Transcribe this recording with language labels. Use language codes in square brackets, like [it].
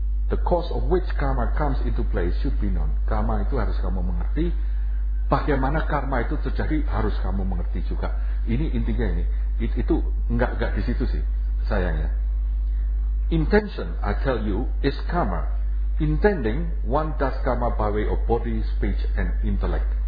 [en] The cause of which karma comes into play should be known. [id] Karma itu harus kamu mengerti. Bagaimana karma itu terjadi harus kamu mengerti juga. Ini intinya ini. Itu enggak di situ sih sayangnya. [en] Intention, I tell you, is karma. Intending, one does karma by way of body, speech, and intellect.